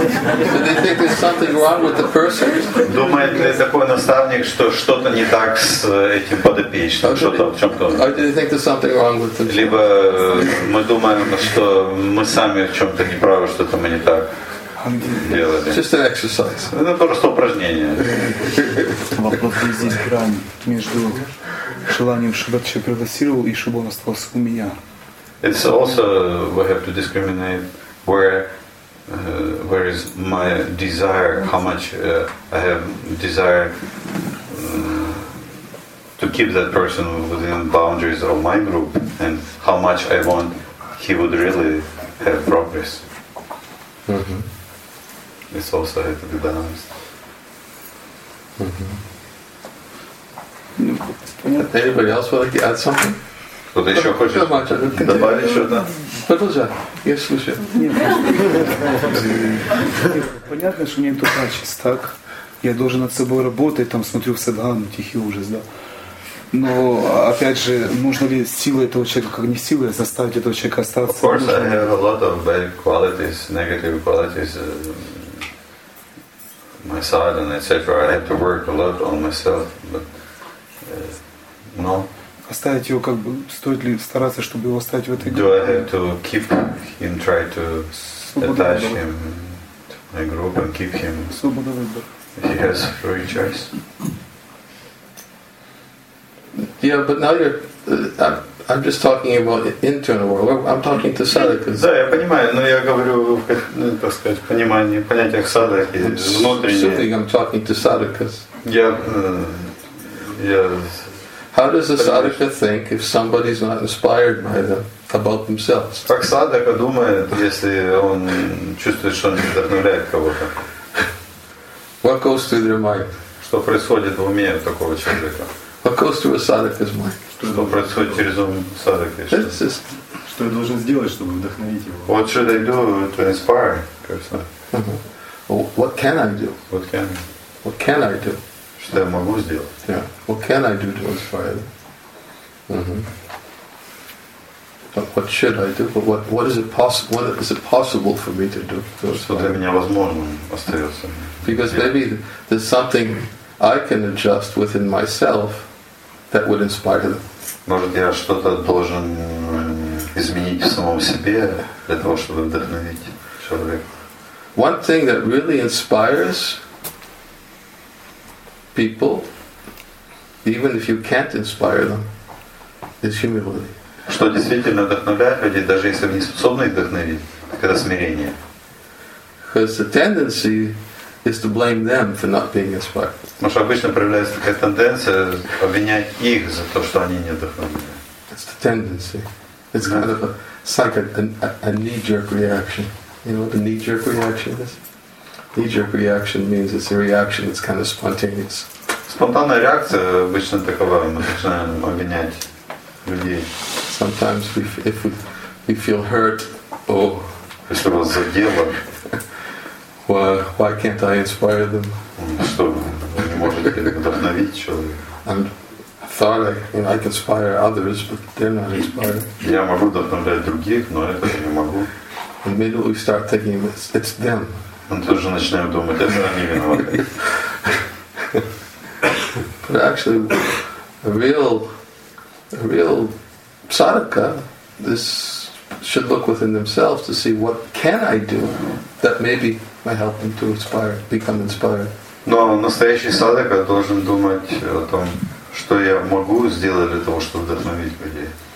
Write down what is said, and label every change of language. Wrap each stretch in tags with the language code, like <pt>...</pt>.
<en>Do they think there's something wrong with the person?</en> <ru>Думает ли такой наставник, что что-то не так с этим подопечным, что-то в чем-то?</ru> <en>Or do they think there's something wrong with them?</en> <ru>Либо мы думаем, что мы сами в чем-то неправы, что-то мы не так.</ru> <en>It's just an exercise.</en> <ru>Это просто упражнение. Вопрос здесь грань между желанием, чтобы человек прогрессировал и чтобы он остался у меня.</ru> <en>It's also we have to discriminate where is my desire, how much I have desire to keep that person within boundaries of my group, and how much I want he would really have progress. Mm-hmm. It's also have to be balanced. Mm-hmm. Anybody else would like to add something?</en> <ru>Кто-то еще хочет добавить что-то? Продолжай. Я слушаю. Понятно, что у меня нету качеств, так? Я должен над собой работать, там смотрю в садхану, тихий ужас, да? Но, опять же, нужно ли силы этого человека, как не силы, заставить этого человека остаться?</ru> <en>Of course, I have a lot of bad qualities, negative qualities. My side and etc. I have to work a lot on myself, but no.</en> <ru>Оставить его как бы стоит ли стараться, чтобы его оставить в этой группе?</ru> <en>Do I have to keep him, try to attach him to my group and keep him?</en> <ru>Свобода выбора.</ru> <en>He has free choice. Yeah, but now you're. I'm just talking about the internal world. I'm talking to sadhakas.</en> <ru>Да, я понимаю, но я говорю, так сказать, понимание понятиях садхаки внутренние.</ru> <en>Something I'm talking to sadhakas. Yeah. How does a sadhaka think if somebody's not inspired by them about themselves?</en> <ru>Как садхака думает, если он чувствует, что он не вдохновляет кого-то?</ru> <en>What goes through their mind?</en> <ru>Что происходит в уме такого человека?</ru> <en>What goes through a sadhaka's mind?</en> <ru>Что происходит через ум садхаки? Что я должен сделать, чтобы вдохновить его?</ru> <en>What should I do to inspire? What can I do? What can I do?</en> <ru>Что я могу сделать?</ru> <en>Yeah. What can I do to inspire them? Mm-hmm. What should I do? But what is it possible? What is it possible for me to do?</en> <ru>Что для меня возможным остается?</ru> <en>Because maybe there's something I can adjust within myself that would inspire them.</en> <ru>Может, я что-то должен изменить в самом себе для того, чтобы вдохновить человека?</ru> <en>One thing that really inspires people, even if you can't inspire them, is humility.</en> <ru>Что действительно вдохновляет людей, даже если они не способны их вдохновить, так это смирение.</ru> <en>Because the tendency is to blame them for not being inspired.</en> <ru>Потому что обычно проявляется такая тенденция обвинять их за то, что они не вдохновлены.</ru> <en>It's the tendency. It's kind of a, it's like a knee-jerk reaction. You know what a knee-jerk reaction is? Knee-jerk reaction means it's a reaction that's kind of spontaneous.</en> <ru>Спонтанная реакция обычно такова, мы начинаем обвинять людей.</ru> <en>Sometimes if we feel hurt, oh.</en> <ru>Если вас задело.</ru> <en>Why can't I inspire them?</en> <ru>Что, вы не можете вдохновить человека?</ru> <en>I thought I can inspire others, but they're not inspired.</en> <ru>Я могу вдохновлять других, но это я не могу.</ru> <en>And maybe we start thinking it's them.</en> <ru>Мы тут же начинаем думать, это они виноваты.</ru> <en>But actually, a real sadhaka, this should look within themselves to see what can I do that maybe might help them to inspire, become inspired.</en> <ru>Но настоящий садхака должен думать о том, что я могу сделать для того, чтобы вдохновить людей.</ru>